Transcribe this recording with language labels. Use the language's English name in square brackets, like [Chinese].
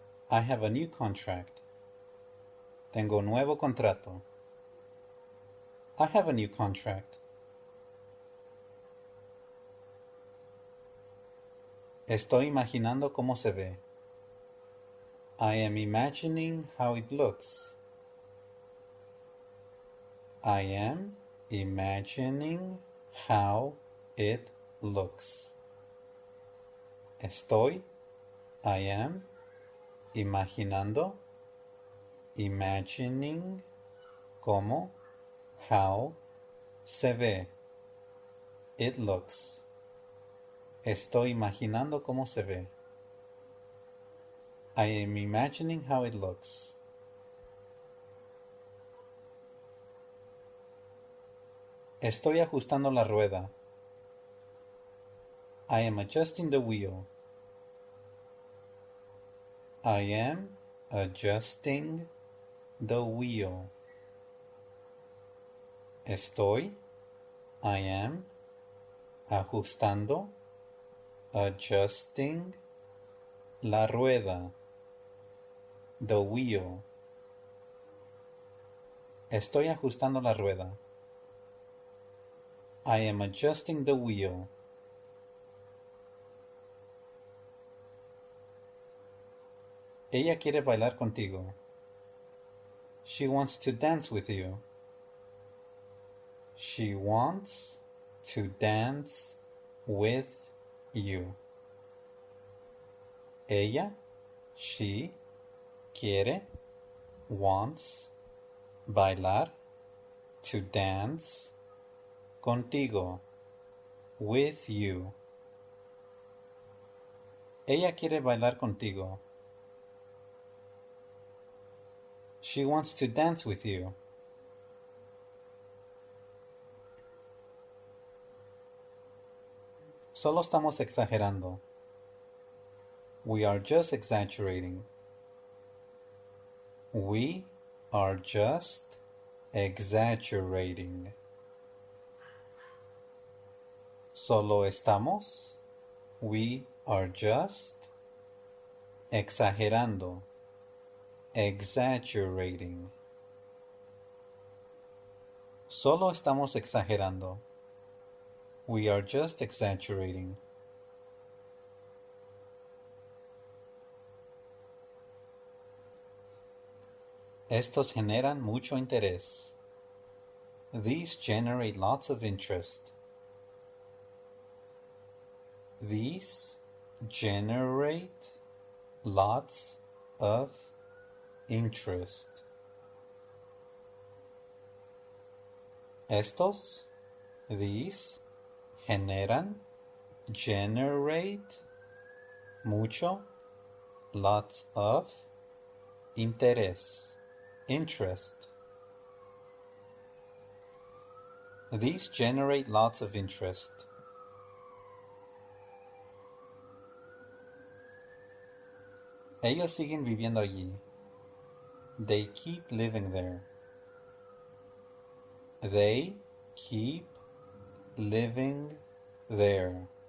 [English] I have a new contract. [Spanish] Tengo un nuevo contrato. [English] I have a new contract. [Spanish] Estoy imaginando cómo se ve. [English] I am imagining how it looks. I am imagining how it looks. [Spanish] Estoy, [English] I am, [Spanish] imaginando, [English] imagining, [Spanish] cómo, [English] how, [Spanish] se ve. [English] It looks. [Spanish] Estoy imaginando cómo se ve. [English] I am imagining how it looks. [Spanish] Estoy ajustando la rueda. [English] I am adjusting the wheel. I am adjusting the wheel. [Spanish] Estoy, [English] I am, [Spanish] ajustando, [English] adjusting, [Spanish] la rueda, [English] the wheel. [Spanish] Estoy ajustando la rueda. [English] I am adjusting the wheel. [Spanish] Ella quiere bailar contigo. [English] She wants to dance with you. She wants to dance with you. [Spanish] Ella, [English] she, [Spanish] quiere, [English] wants, [Spanish] bailar, [English] to dance, [Spanish] contigo, [English] with you. [Spanish] Ella quiere bailar contigo. [English] She wants to dance with you. [Spanish] Solo estamos exagerando. [English] We are just exaggerating. We are just exaggerating. [Spanish] Solo estamos. [English] We are just [Spanish] exagerando. [English] Exaggerating. [Spanish] Solo estamos exagerando. [English] We are just exaggerating. [Spanish] Estos generan mucho interés. [English] These generate lots of interest. These generate lots of interest. [Spanish] Estos, [English] these, [Spanish] generan, [English] generate, [Spanish] mucho, [English] lots of, [Spanish] interés, [English] interest. These generate lots of interest. [Spanish] Ellos siguen viviendo allí. [English] They keep living there. They keep living there.